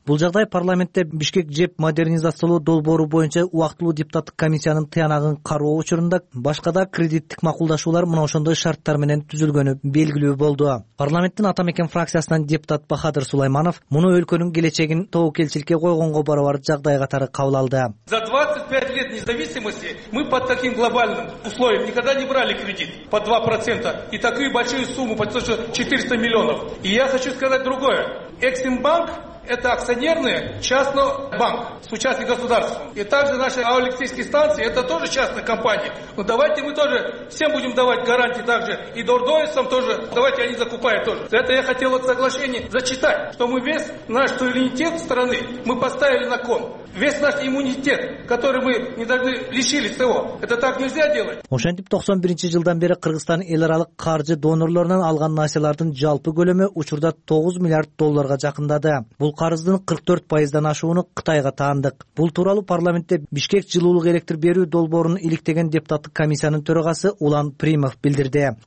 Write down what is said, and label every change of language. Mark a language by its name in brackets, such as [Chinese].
[Kyrgyz] Бул жагдай парламентте Бишкек ЖЭБ модернизациялоо долбоору боюнча убактылуу депутаттык комиссиянын тыянагын кароо учурунда башка да кредиттик макулдашуулар мына ошондой шарттар менен түзүлгөнү белгилүү болду. Парламенттин ата мекен фракциясынан депутат Бахадыр Сулайманов муну өлкөнүн келечегин тобок элчилике койгонго барабар жагдай катары кабыл алды. [Russian] За 25 лет независимости мы под таким глобальным условием никогда не брали кредит по 2% и такую большую сумму, под 400 миллионов. И я хочу сказать другое. Эксимбанк — это акционерный частный банк с участием государства. И также наши аэлектрические станции — это тоже частная компания. Но давайте мы тоже всем будем давать гарантии также. И Дордоисам тоже. Давайте они закупают тоже. За это я хотел вот соглашение зачитать, что мы весь наш суверенитет страны мы поставили на кон. Весь наш иммунитет, который мы не должны лишились того. Это так нельзя делать. [Kyrgyz] Ошентип 91 жылдан бери Кыргызстан эл аралык каржы донорлорунан алган насыялардын жалпы көлөмү учурда 9 миллиард долларга жакындады. Бул карыздын 44% ашууну Кытайга таандык. Бул тууралуу парламентте Бишкек жылуулук электр берүү долбоорун иликтеген депутаттык комиссиянын төрагасы Улан Примов билдирди.